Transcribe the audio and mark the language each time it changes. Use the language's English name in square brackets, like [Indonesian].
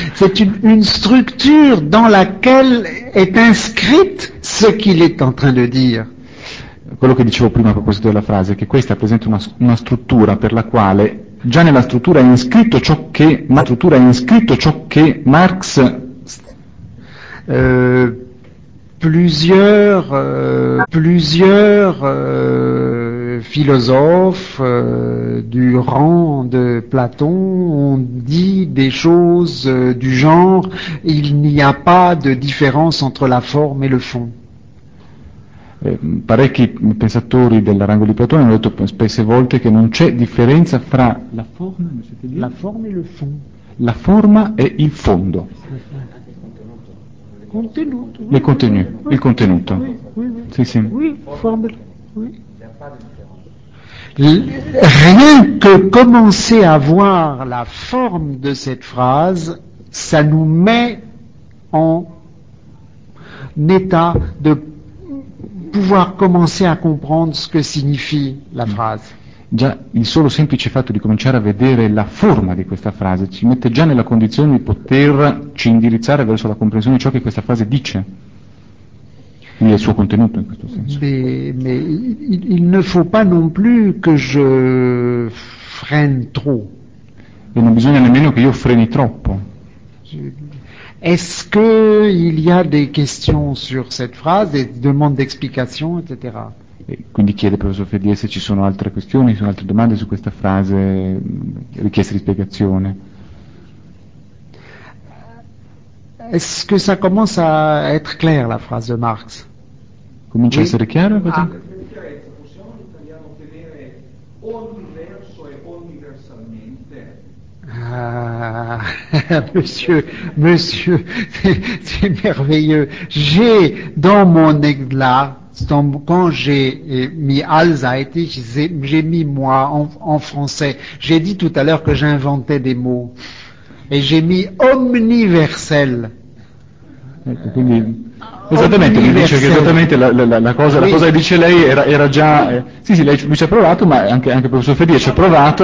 [French] C'est une structure dans laquelle est inscrite ce qu'il est en train de dire. [Italian] Quello che dicevo prima a proposito della frase, che questa presenta una struttura per la quale già nella struttura è inscritto ciò che Marx [French] plusieurs philosophes du rang de Platon ont dit des choses du genre il n'y a pas de différence entre la forme et le fond. [Italian] Parecchi pensatori del rango di Platone hanno detto spesse volte che non c'è differenza fra la forma e il fondo. La forma e il fondo. Contenuto. Il contenuto. [French] Oui, [Italian] il contenuto. [French] Oui, oui, [Italian] sì, sì. [French] Oui, forme. Oui. Rien que commencer à voir la forme de cette phrase, ça nous met en état de pouvoir commencer à comprendre ce que signifie la phrase. [Italian] Già il solo semplice fatto di cominciare a vedere la forma di questa frase ci mette già nella condizione di poterci indirizzare verso la comprensione di ciò che questa frase dice. Quindi il suo contenuto in questo senso. [French] Mais il ne faut pas non plus que je freine trop. [Italian] E non bisogna nemmeno che io freni troppo. [French] Est-ce que il y a des questions sur cette phrase, des demandes d'explication, etc. [Italian] E quindi chiede al professor Fedier se ci sono altre questioni, ci sono altre domande su questa frase, richieste di spiegazione. [French] Est-ce que ça commence à être clair la phrase de Marx? [Italian] Comincia a essere chiaro? Ah, per chiarezza, possiamo in italiano ottenere ogni verso e universalmente? [French] Monsieur, c'est merveilleux. J'ai dans mon exemple, quand j'ai mis Alzheimer, j'ai mis moi en français. J'ai dit tout à l'heure que j'inventais des mots. Et j'ai mis omniversel. [Italian] Quindi, esattamente, mi dice che esattamente la cosa che dice lei era già. Sì, sì, lei ci ha provato, ma anche il professor Fedia ci ha provato.